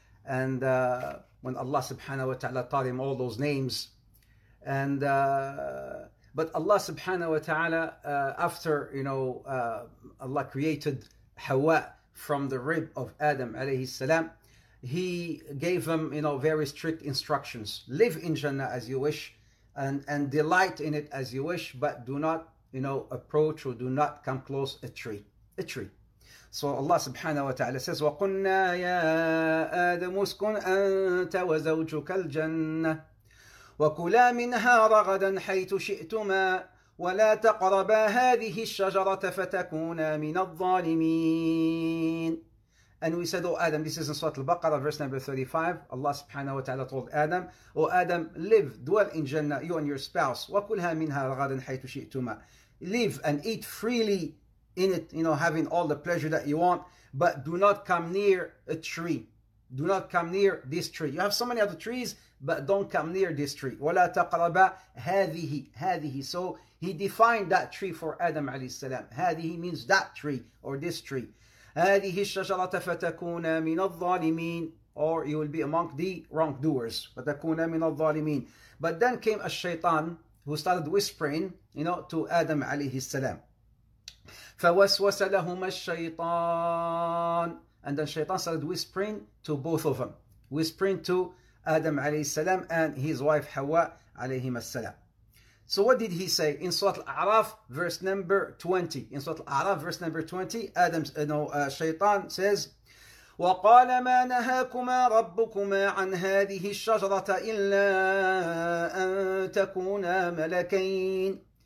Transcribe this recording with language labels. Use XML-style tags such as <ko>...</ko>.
<en>And when Allah subhanahu wa ta'ala taught him all those names, but Allah subhanahu wa ta'ala, after Allah created Hawa from the rib of Adam alayhi salam, he gave him, very strict instructions. Live in Jannah as you wish, and delight in it as you wish, but do not, approach or do not come close a tree. So Allah subhanahu wa ta'ala says,</en> <ar>وَقُلْنَا يَا آدَمُ اسْكُنْ أَنْتَ وَزَوْجُكَ الْجَنَّةِ وَكُلَا مِنْهَا رَغَدًا حَيْثُ شِئْتُمَا وَلَا تَقْرَبَا هَذِهِ الشَّجَرَةَ فَتَكُونَا مِنَ الظَّالِمِينَ.</ar> <en>And we said, O Adam, this is in Surah Al-Baqarah, verse number 35. Allah subhanahu wa ta'ala told Adam, O Adam, live, dwell in Jannah, you and your spouse.</en> <ar>وَكُلْهَا مِنْهَا رَغَدًا حَيْثُ شِئْتُمَا.</ar> <en>Live and eat freely in it, having all the pleasure that you want, but do not come near a tree. Do not come near this tree. You have so many other trees, but don't come near this tree.</en> <ar>وَلَا تَقْرَبَا هَذِهِ.</ar> <en>So he defined that tree for Adam alayhi salam. هَذِهِ means that tree or this tree.</en> <ar>هَذِهِ الشَّجَرَةَ فَتَكُونَ مِنَ الظَّالِمِينَ.</ar> <en>Or you will be among the wrongdoers.</en> <ar>فَتَكُونَ مِنَ الظَّالِمِينَ.</ar> <en>But then came a shaitan who started whispering, to Adam alayhi salam.</en> <ar>فَوَسْوَسَ لَهُمَا الشَّيْطَانِ.</ar> <en>And then Shaitan started whispering to both of them, whispering to Adam alayhi salam and his wife Hawa alayhi salam. So what did he say in Surah Al-A'raf, verse number 20? In Surah Al-A'raf, verse number 20, Shaitan says,</en> <ar>وَقَالَ مَا نَهَاكُمَا رَبُّكُمَا عَنْ هَذِهِ الشَّجْرَةَ إِلَّا أَن تَكُونَا مَلَكَيْنِ.</ar>